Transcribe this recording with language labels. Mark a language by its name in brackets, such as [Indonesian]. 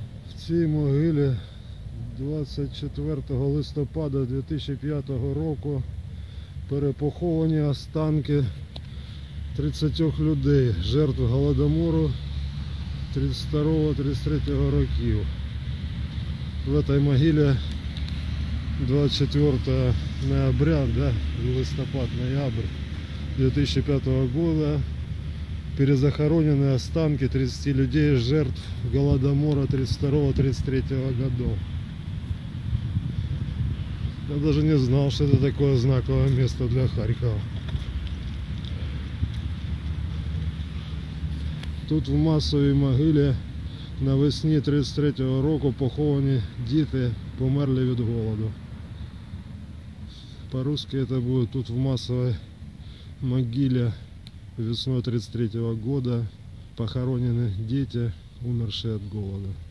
[Ukrainian] В цій могилі 24 листопада 2005 року перепоховані останки 30 людей, жертв Голодомору 32-33 років. [Russian] В этой могиле 24 ноября, да, листопад-ноябрь 2005 года перезахоронены останки 30 людей, жертв Голодомора 32-33 годов. Я даже не знал, что это такое знаковое место для Харькова. [Ukrainian] Тут в масовій могилі навесні 33-го року поховані діти, померли від голоду. По-русски це буде тут в масовій могилі весною 33-го року похоронені діти, умерші від голоду.